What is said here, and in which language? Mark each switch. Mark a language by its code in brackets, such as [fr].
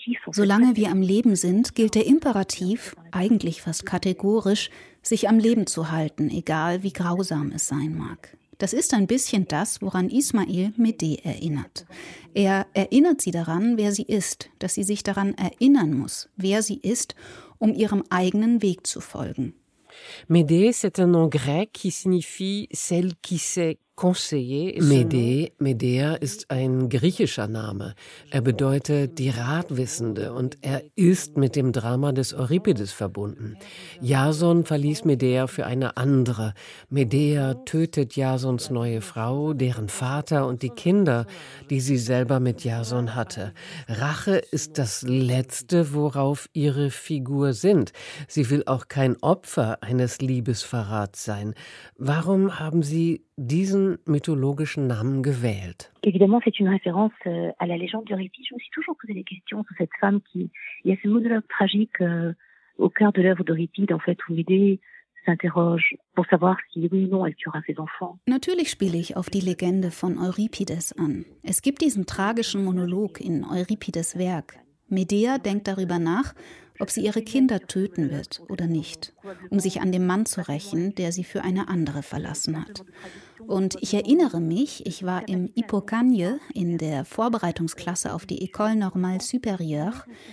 [de] Solange wir am Leben sind, gilt der Imperativ, eigentlich fast kategorisch, sich am Leben zu halten, egal wie grausam es sein mag. Das ist ein bisschen das, woran Ismaël Médée erinnert. Er erinnert sie daran, wer sie ist, dass sie sich daran erinnern muss, wer sie ist, um ihrem eigenen Weg zu folgen. [fr] Médée, c'est un nom grec qui signifie celle qui sait conseiller. [de] Médée ist ein griechischer Name. Er bedeutet die Ratwissende und er ist mit dem Drama des Euripides verbunden. Jason verließ Médée für eine andere. Médée tötet Jasons neue Frau, deren Vater und die Kinder, die sie selber mit Jason hatte. Rache ist das Letzte, worauf ihre Figur sinnt. Sie will auch kein Opfer eines Liebesverrats sein. Warum haben Sie diesen mythologischen Namen gewählt? [fr] Évidemment, c'est une référence à la légende d'Euripide. Je me suis toujours posé des questions sur cette femme qui, il y a ce monologue tragique au cœur de l'œuvre d'Euripide, en fait, où Médée s'interroge pour savoir si oui ou non elle tuera ses enfants. [de] Natürlich spiele ich auf die Legende von Euripides an. Es gibt diesen tragischen Monolog in Euripides Werk. Médée denkt darüber nach, ob sie ihre Kinder töten wird oder nicht, um sich an dem Mann zu rächen, der sie für eine andere verlassen hat. Und ich erinnere mich, ich war im Hippocagne in der Vorbereitungsklasse auf die École Normale Supérieure.